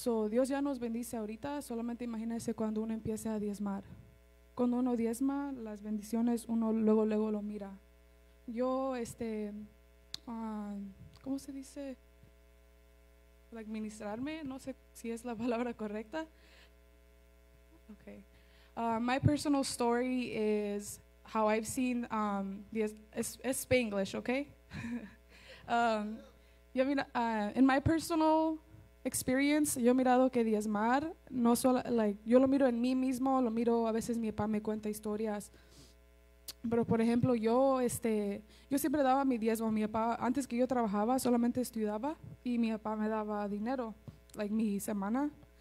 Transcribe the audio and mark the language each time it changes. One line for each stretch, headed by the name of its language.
Spanish: Dios ya nos bendice ahorita, solamente imagínense cuando uno empiece a diezmar. Cuando uno diezma, las bendiciones uno luego lo mira. Yo, ¿cómo se dice? Administrarme, no sé si es la palabra correcta.
English: My personal story is how I've seen, it's Spanglish, okay? in my personal experience,
Spanish: yo he mirado que diezmar, no solo, yo lo miro en mí mismo, lo miro, a veces mi papá me cuenta historias, Pero por ejemplo, yo siempre daba mi diezmo. Mi papá, antes que yo trabajaba, solamente estudiaba y mi papá me daba dinero, like mi semana.